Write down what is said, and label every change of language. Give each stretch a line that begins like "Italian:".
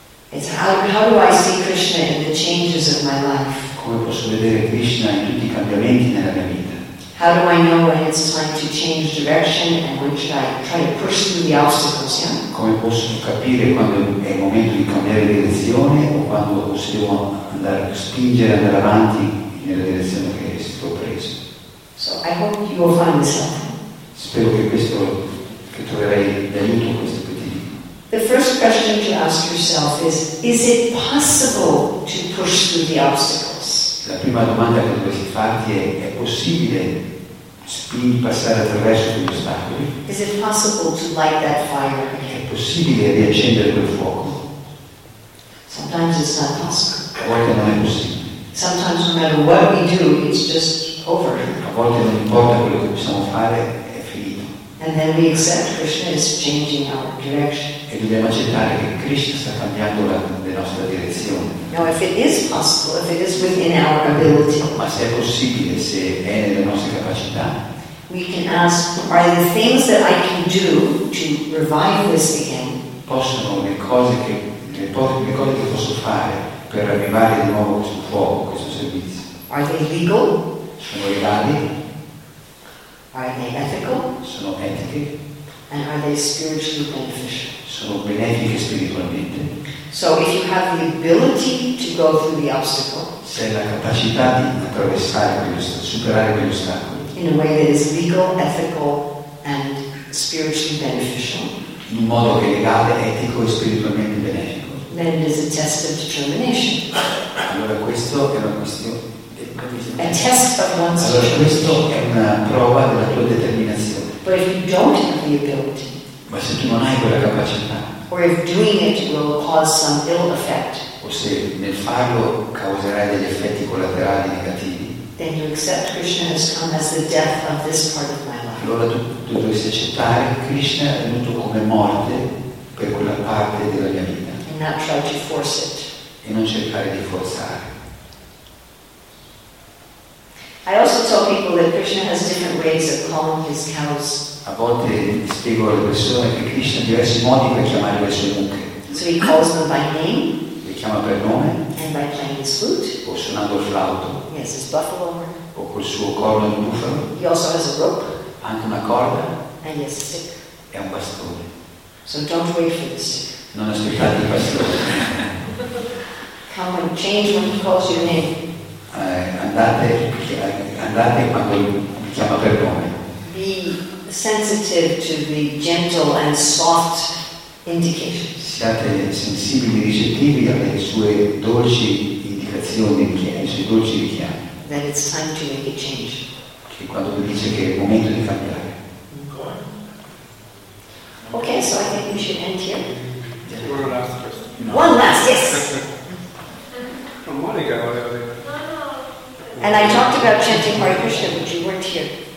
English: It's how do I see Krishna in the changes of my life?
Italian: Come posso vedere Krishna in tutti i cambiamenti nella mia vita?
English: How do I know when it's time to change direction and when should I try to push through the obstacles? Yeah?
Italian: Come posso capire quando è il momento di cambiare direzione o quando possiamo andare avanti nella direzione che sto preso?
English: So I hope you will find this out.
Italian: Spero che questo che troverai d'aiuto questo.
English: The first question to ask yourself is it possible to push through the obstacles?
Italian: La prima domanda che dovresti farti è possibile passare attraverso gli ostacoli?
English: Is it possible to light that fire again?
Italian: È possibile riaccendere quel fuoco?
English: Sometimes it's not possible.
Italian: A volte non è possibile.
English: Sometimes no matter what we do, it's just over.
Italian: A volte non importa quello che possiamo fare, è finito.
English: And then we accept Krishna is changing our direction.
Italian: E dobbiamo accettare che Krishna sta cambiando la nostra direzione.
English: Now, if it is possible, if it is within our ability,
Italian: ma se è possibile, se è nelle nostre capacità,
English: we can ask, are the things that I can do to revive this again?
Italian: Possono le cose che posso fare per ravvivare di nuovo questo fuoco, questo servizio?
English: Are they legal?
Italian: Sono legali?
English: Are they ethical?
Italian: Sono etiche?
English: And are they spiritually beneficial?
Italian: Sono benefiche spiritualmente.
English: So if you have the ability to go through the obstacle,
Italian: se hai la capacità di attraversare quegli ostacoli, superare quegli ostacoli,
English: in a way that is legal, ethical, and spiritually beneficial,
Italian: in un modo che è legale, etico e spiritualmente benefico,
English: then it is a test of determination.
Italian: Allora questo è una questione.
English: A test of one's.
Italian: Allora questo è una prova della tua determinazione.
English: But if you don't have the ability.
Italian: Ma se tu non hai quella capacità,
English: or if doing it will cause some ill effect,
Italian: o se nel farlo causerai degli effetti collaterali negativi,
English: then you accept Krishna has come as the death of this part of my life.
Italian: Allora tu dovresti accettare Krishna è venuto come morte per quella parte della mia vita.
English: And not try to force it.
Italian: E non cercare di forzare.
English: I also tell people that Krishna has different ways of calling his cows.
Italian: A volte spiego alle persone che Krishna ha diversi modi per chiamare le sue mucche.
English: So he calls them by name.
Italian: Le chiama per nome.
English: And by playing his flute.
Italian: O suonando il flauto.
English: Yes, his buffalo.
Italian: O col suo corno di bufalo.
English: He also has a rope.
Italian: Anche una corda.
English: And yes, a stick.
Italian: E un bastone.
English: So don't wait for the stick.
Italian: Non aspettate il bastone.
English: Come and change when he calls your name.
Italian: Andate quando vi chiama per nome.
English: Be sensitive to the gentle and soft indications.
Italian: Siate sensibili, ricettivi alle sue dolci indicazioni, ai suoi dolci richiami.
English: That it's time to make a change.
Italian: Che quando vi dice che è il momento di cambiare.
English: Okay, so I think we should end here. One last question. One last, yes. Monica, whatever. And I talked about chanting Hare Krishna, but you weren't here.